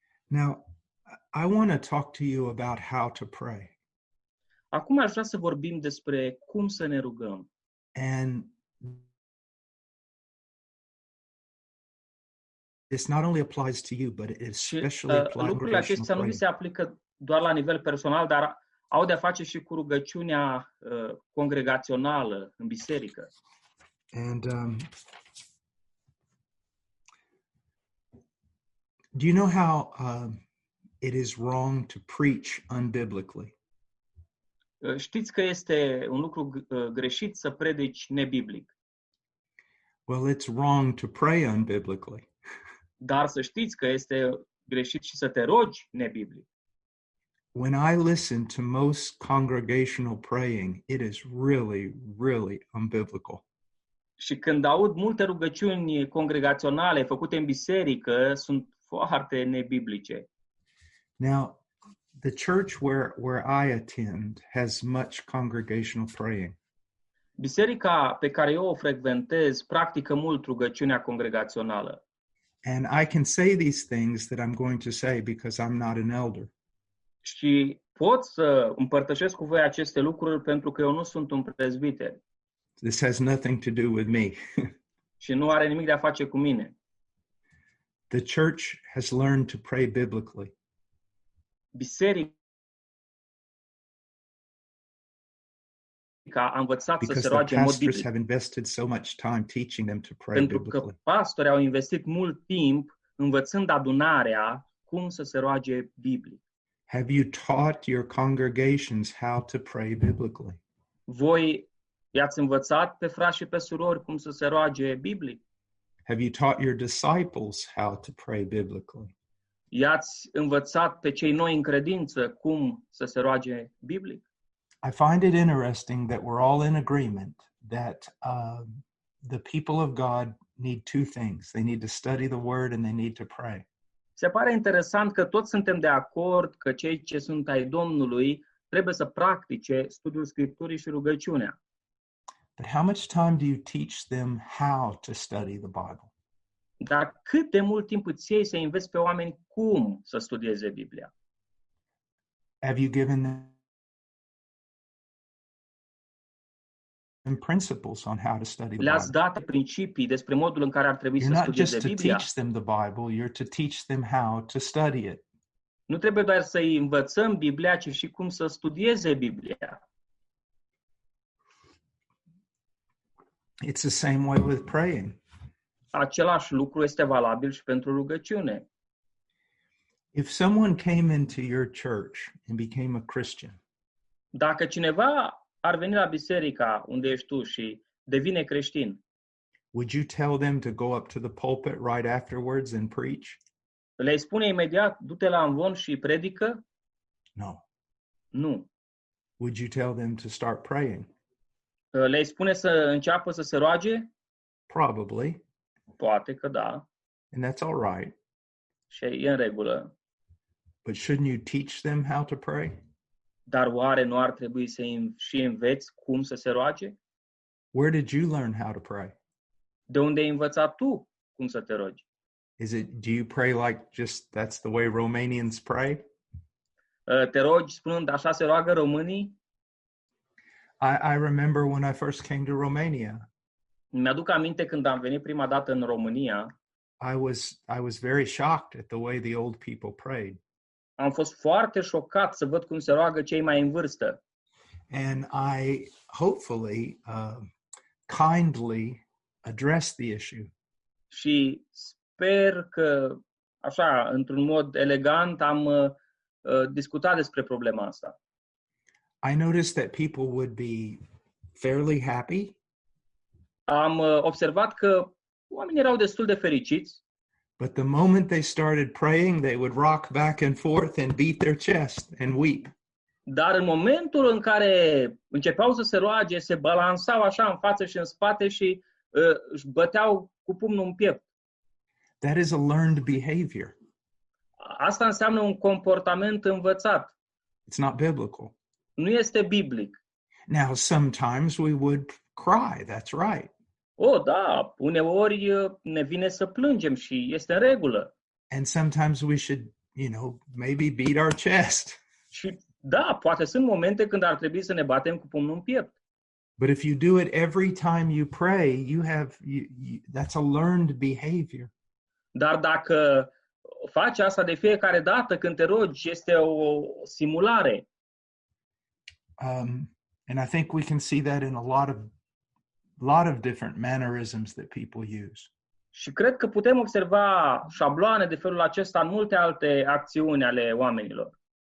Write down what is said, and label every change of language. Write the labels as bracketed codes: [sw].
[en] Now, I want to talk to you about how to pray. [ro] Acum aș vrea să vorbim despre cum să ne rugăm. [en] And this not only applies to you, but it especially applies to you. [ro] Lucrurile acestea nu se aplică doar la nivel personal, dar au de-a face și cu rugăciunea congregațională în biserică. [en] And do you know how it is wrong to preach unbiblically? [ro] Știți că este un lucru greșit să predici nebiblic. [en] Well, it's wrong to pray unbiblically. [ro] Dar să știți că este greșit și să te rogi nebiblic. [en] When I listen to most congregational praying, it is really, really unbiblical. [ro] Și când aud multe rugăciuni congregaționale făcute în biserică, sunt foarte nebiblice. [en] Now, the church where I attend has much congregational praying. [ro] Biserica pe care eu o frecventez practică mult rugăciunea congregațională. [en] And I can say these things that I'm going to say because I'm not an elder. [ro] Și pot să împărtășesc cu voi aceste lucruri pentru că eu nu sunt un prezbiter. [en] This has nothing to do with me. [ro] Și nu are nimic de a face cu mine. [en] The church has learned to pray biblically. [ro] Biserica a învățat [en] because [ro] să se roage [en] the pastors [ro] în mod biblic. [en] Have invested so much time teaching them to pray [ro] pentru [en] biblically. [ro] Pentru că pastorii au investit mult timp învățând adunarea cum să se roage biblic. [en] Have you taught your congregations how to pray biblically? [ro] Voi i-ați învățat pe frați și pe surori cum să se roage biblic? [en] Have you taught your disciples how to pray biblically? [ro] I-ați învățat pe cei noi în credință cum să se roage biblic? [en] I find it interesting that we're all in agreement that the people of God need two things. They need to study the word and they need to pray. [ro] Se pare interesant că toți suntem de acord că cei ce sunt ai Domnului trebuie să practice studiul Scripturii și rugăciunea. [en] But how much time do you teach them how to study the Bible? [ro] Dar cât de mult timp îți iei să înveți pe oameni cum să studieze Biblia? [en] Have you given them principles on how to study the Bible? [ro] Le-ați dat principii despre modul în care ar trebui [en] you're [ro] să studieze Biblia? [en] You're not just to teach them the Bible, you're to teach them how to study it. [ro] Nu trebuie doar să îi învățăm Biblia, ci și cum să studieze Biblia. [en] It's the same way with praying. [ro] Același lucru este valabil și pentru rugăciune. [en] If someone came into your church and became a Christian. [ro] Dacă cineva ar veni la biserica unde ești tu și devine creștin. [en] Would you tell them to go up to the pulpit right afterwards and preach? [ro] Le-ai spune imediat du-te la amvon și predică? [en] No. [ro] Nu. [en] Would you tell them to start praying? [ro] Le-ai spune să înceapă să se roage? [en] Probably. [ro] Poate că da. [en] And that's all right. [ro] Și e în regulă. [en] But shouldn't you teach them how to pray? [ro] Dar oare nu ar trebui să și înveți cum să se roage? [en] Where did you learn how to pray? [ro] De unde ai învățat tu cum să te rogi? [en] Is it, do you pray like just that's the way Romanians pray? [ro] Te rogi spunând așa se roagă românii? [en] I remember when I first came to Romania. [ro] Mi-aduc aminte când am venit prima dată în România. [en] I was very shocked at the way the old people prayed. [ro] Am fost foarte șocat să văd cum se roagă cei mai în vârstă. [en] And I hopefully kindly addressed the issue. [ro] Și sper că așa într-un mod elegant am discutat despre problema asta. [en] I noticed that people would be fairly happy. [ro] Am observat că oamenii erau destul de fericiți. [en] But the moment they started praying, they would rock back and forth and beat their chest and weep. [ro] Dar în momentul în care începeau să se roage, se balansau așa în față și în spate și își băteau cu pumnul în piept. [en] That is a learned behavior. [ro] Asta înseamnă un comportament învățat. [en] It's not biblical. [ro] Nu este biblic. [en] Now, sometimes we would cry, that's right. [ro] Oh, da, uneori ne vine să plângem și este în regulă. [en] And sometimes we should, you know, maybe beat our chest. [ro] Și da, poate sunt momente când ar trebui să ne batem cu pumnul în piept. [en] But if you do it every time you pray, that's a learned behavior. [ro] Dar dacă faci asta de fiecare dată când te rogi, este o simulare. [en] And I think we can see that in a lot of different mannerisms that people use. [ro] Și cred că putem observa șabloane de felul acesta în multe alte acțiuni ale oamenilor.